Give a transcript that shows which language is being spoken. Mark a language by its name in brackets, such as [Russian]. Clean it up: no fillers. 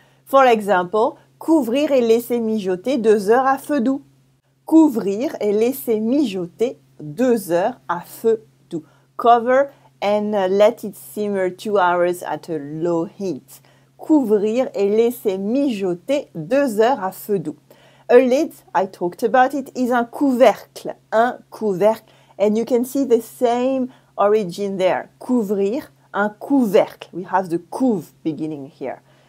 [English] For example, [French] couvrir et laisser mijoter 2 heures à feu doux. Couvrir et laisser mijoter 2 heures à feu doux. [English] Cover and let it simmer 2 hours at a low heat. [French] couvrir et laisser mijoter 2 heures à feu doux. [English] A lid, I talked about it, is [French] un couvercle, [English] and you can see the same origin there. [French] Couvrir, un couvercle. [English] We have the couve beginning here.